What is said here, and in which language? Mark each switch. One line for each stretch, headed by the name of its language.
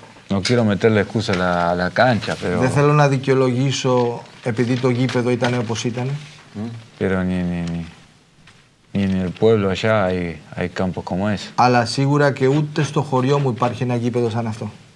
Spanish: No quiero meterle excusa a la cancha, pero...
Greek: Δεν θέλω να δικαιολογήσω επειδή το γήπεδο ήταν όπως ήταν.
Spanish: Pero ni en el pueblo allá hay campos como ese.
Greek: Αλλά σίγουρα και ούτε στο χωριό μου υπάρχει ένα γήπεδο σαν αυτό.